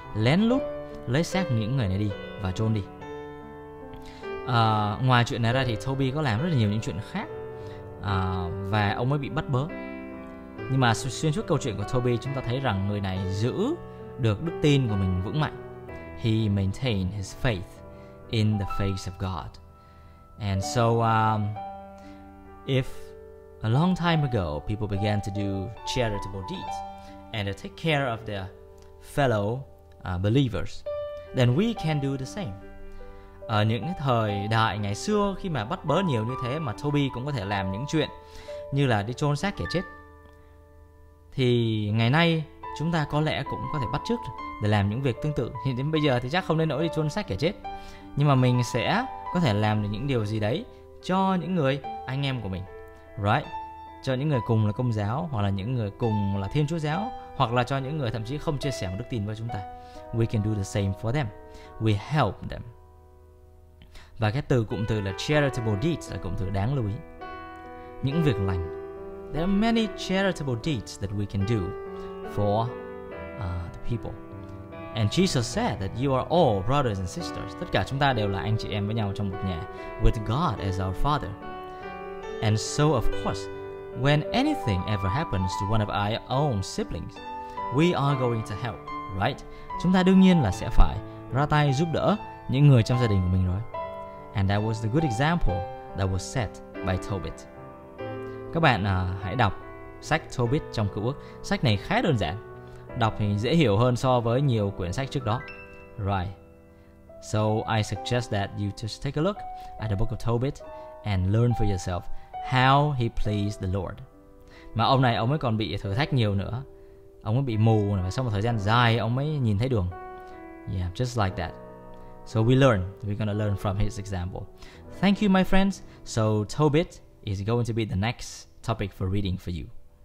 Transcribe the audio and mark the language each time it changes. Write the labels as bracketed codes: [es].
[vi] Lén lút lấy xác những người này đi và chôn đi. Ngoài chuyện này ra thì Toby có làm rất là nhiều những chuyện khác. Và ông ấy bị bắt bớ. Nhưng mà xuyên suốt câu chuyện của Toby, chúng ta thấy rằng người này giữ được đức tin của mình vững mạnh. [en] He maintained his faith in the face of God. And so if a long time ago people began to do charitable deeds and to take care of their fellow believers, then we can do the same. [vi] Ở những thời đại ngày xưa khi mà bắt bớ nhiều như thế mà Toby cũng có thể làm những chuyện như là đi chôn xác kẻ chết, thì ngày nay chúng ta có lẽ cũng có thể bắt chước để làm những việc tương tự. Thì đến bây giờ thì chắc không đến nỗi đi chôn xác kẻ chết, nhưng mà mình sẽ có thể làm được những điều gì đấy cho những người anh em của mình, right? Cho những người cùng là Công giáo, hoặc là những người cùng là Thiên Chúa giáo, hoặc là cho những người thậm chí không chia sẻ một đức tin với chúng ta. [en] We can do the same for them. We help them. [vi] Và cái từ cụm từ là charitable deeds là cụm từ đáng lưu ý. Những việc lành. [en] There are many charitable deeds that we can do for the people. And Jesus said that you are all brothers and sisters. [vi] Tất cả chúng ta đều là anh chị em với nhau trong một nhà. [en] With God as our Father. And so, of course, when anything ever happens to one of our own siblings, we are going to help, right? [vi] Chúng ta đương nhiên là sẽ phải ra tay giúp đỡ những người trong gia đình của mình rồi. [en] And that was the good example that was set by Tobit. [vi] Các bạn hãy đọc sách Tobit trong Cựu Ước. Sách này khá đơn giản. Đọc thì dễ hiểu hơn so với nhiều quyển sách trước đó. [en] Right. So I suggest that you just take a look at the book of Tobit and learn for yourself how he pleased the Lord. [vi] Mà ông này ông ấy còn bị thử thách nhiều nữa. Ông ấy bị mù và sau một thời gian dài ông mới nhìn thấy đường. [en] Yeah, just like that. So we learn. We're gonna learn from his example. Thank you, my friends. So Tobit is going to be the next topic for reading for you.